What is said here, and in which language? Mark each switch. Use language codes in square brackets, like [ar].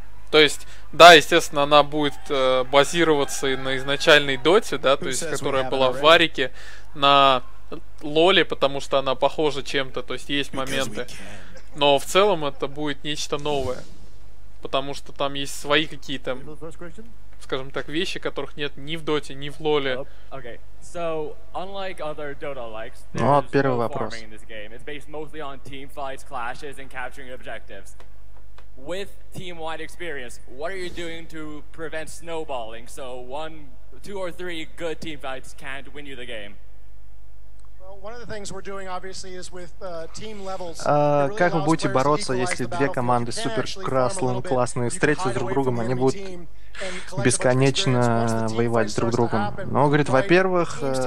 [ru] То есть, да, естественно, она будет базироваться и на изначальной Доте, да, то есть, которая была в Варике, на Лоле, потому что она похожа чем-то, то есть есть моменты. Но в целом это будет нечто новое. Потому что там есть свои какие-то, скажем так, вещи, которых нет ни в Доте, ни в Лоле. [en] So, unlike other Dota-likes, there is no farming in this game. It's based mostly on team fights, clashes, and capturing objectives. With team-wide experience, what are you doing to prevent snowballing so one, two or three good team fights can't win you the game? One of the things we're doing, obviously, is with team levels. [ru] Как вы будете бороться, если две команды супер классные встретятся друг с другом, они будут бесконечно воевать друг с другом? Но, говорит, во-первых,